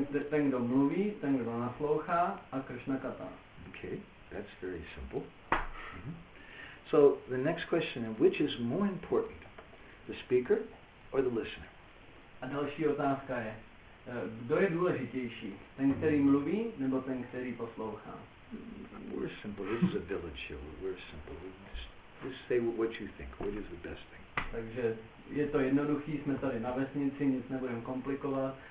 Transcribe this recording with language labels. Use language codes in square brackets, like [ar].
[cs] ten, kdo mluví, ten, kdo naslouchá, a Krishna Katha. [en] Okay, that's very simple. So the next question is, which is more important, the speaker or the listener? [cs] A další otázka je, kdo je důležitější, ten, který mluví, nebo ten, který poslouchá? [en] We're simple. This is a village here. We're simple. We just say what you think. What is the best thing? [cs] Takže je to jednoduchý, jsme tady na vesnici, nic nebudem komplikovat.